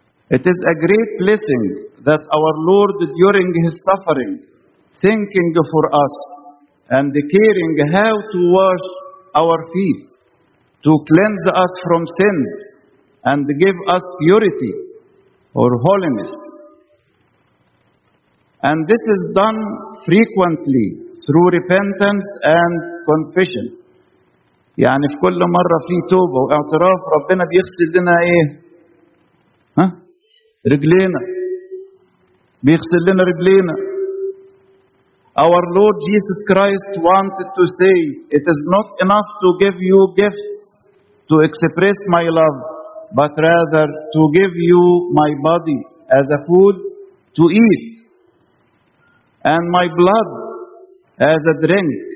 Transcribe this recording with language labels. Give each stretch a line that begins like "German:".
English: It is a great blessing that our Lord during his suffering, thinking for us and caring how to wash our feet, to cleanse us from sins and give us purity or holiness. And this is done frequently through repentance and confession.
Arabic: يعني في كل مرة في توبة واعتراف ربنا بيغسل لنا ايه؟ ها؟ رجلينا، بيغسل لنا رجلينا.
English: Our Lord Jesus Christ wanted to say, it is not enough to give you gifts to express my love, but rather to give you my body as a food to eat, and my blood as a drink.